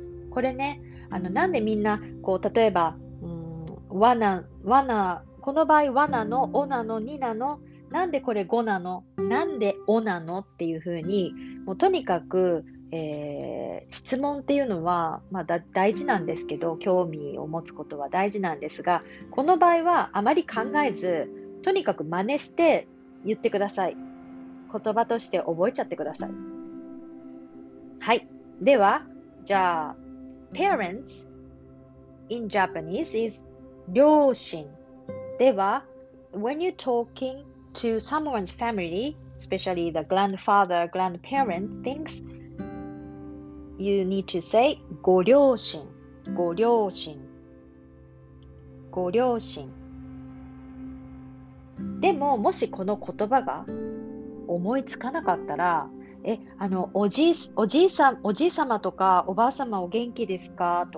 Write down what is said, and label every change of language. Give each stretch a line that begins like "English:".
Japanese: これね、なんでみんな、こう、例えば、この場合、わなの、おなの、になの、なんでこれごなの、なんでおなのっていうふうに、もうとにかく、質問っていうのは、まあ、大事なんですけど、興味を持つことは大事なんですが、この場合はあまり考えず、とにかく真似して言ってください。言葉として覚えちゃってください。はい。
English: では、じゃあ、parents in Japanese is 両親。では、when you're talking to someone's family, especially the grandfather, grandparent, thinks you need to say ご両親、ご両親、ご両親。
Japanese: でも、もしこの言葉が思いつかなかったら、おじいさまとか、おばあさまお元気ですか？